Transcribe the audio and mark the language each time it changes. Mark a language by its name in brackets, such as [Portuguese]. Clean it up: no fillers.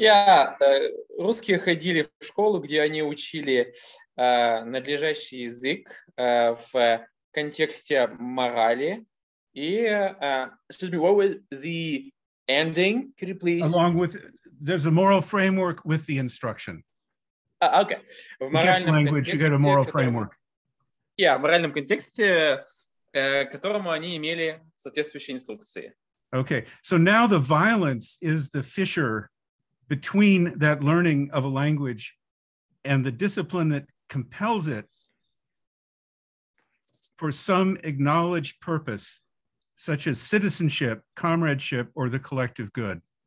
[Russian] Yeah, русские ходили в школу, где они учили надлежащий язык в контексте морали. [English] И, excuse me, what was the ending? Could you please? Along with, there's a moral framework with the instruction. Okay. [Russian] В моральном контексте, [English] you get a moral framework. [Russian] В моральном контексте, которому они имели соответствующие инструкции. [English] Okay, so now the violence is the fissure between that learning of a language and the discipline that compels it for some acknowledged purpose, such as citizenship, comradeship, or the collective good.